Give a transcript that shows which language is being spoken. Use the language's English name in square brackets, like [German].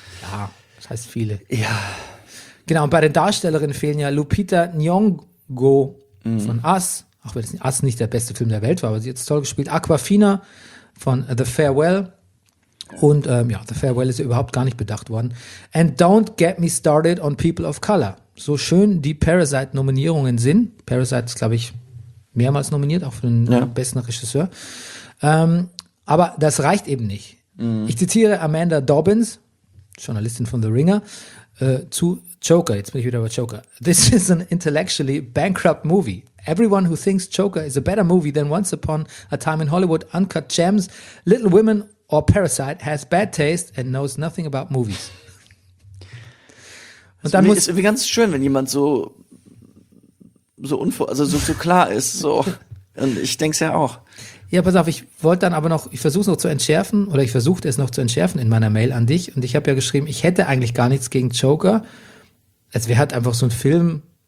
[German] ja, das heißt viele. Ja. Genau, und bei den Darstellerinnen fehlen ja Lupita Nyong'o von Us, auch wenn Us nicht der beste Film der Welt war, aber sie hat es toll gespielt. Awkwafina von The Farewell. Und The Farewell ist ja überhaupt gar nicht bedacht worden. [English] And don't get me started on People of Color. [German] So schön die Parasite-Nominierungen sind. Parasite ist, glaube ich, mehrmals nominiert, auch für den besten Regisseur. Aber das reicht eben nicht. Mhm. Ich zitiere Amanda Dobbins, Journalistin von The Ringer, zu Joker. Jetzt bin ich wieder bei Joker. [English] This is an intellectually bankrupt movie. Everyone who thinks Joker is a better movie than Once Upon a Time in Hollywood, Uncut Gems, Little Women or Parasite has bad taste and knows nothing about movies. [German] Und dann ist irgendwie ganz schön, wenn jemand so klar ist. So. Und ich denke es ja auch. Ja, pass auf, ich versuchte es noch zu entschärfen in meiner Mail an dich. Und ich habe ja geschrieben, ich hätte eigentlich gar nichts gegen Joker. Also wer hat einfach so einen Film.